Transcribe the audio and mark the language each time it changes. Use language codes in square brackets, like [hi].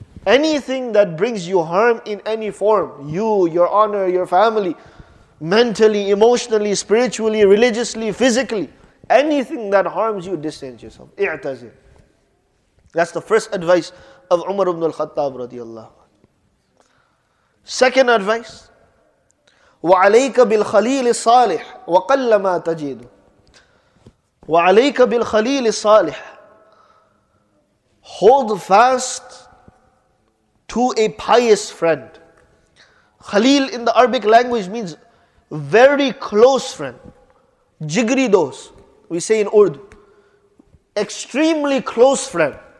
[en] Anything that brings you harm in any form, you, your honor, your family, mentally, emotionally, spiritually, religiously, physically, anything that harms you, distance yourself. [ar] اعتزل. [en] That's the first advice of Umar ibn al-Khattab radiallahu anhu. Second advice, [ar] وَعَلَيْكَ بِالْخَلِيلِ الصَّالِحِ وَقَلَّ مَا تَجِيدُ. وَعَلَيْكَ بِالْخَلِيلِ الصَّالِحِ. [en] Hold fast to a pious friend. Khalil in the Arabic language means very close friend. [ur] Jigri dost, [en] we say in Urdu. Extremely close friend.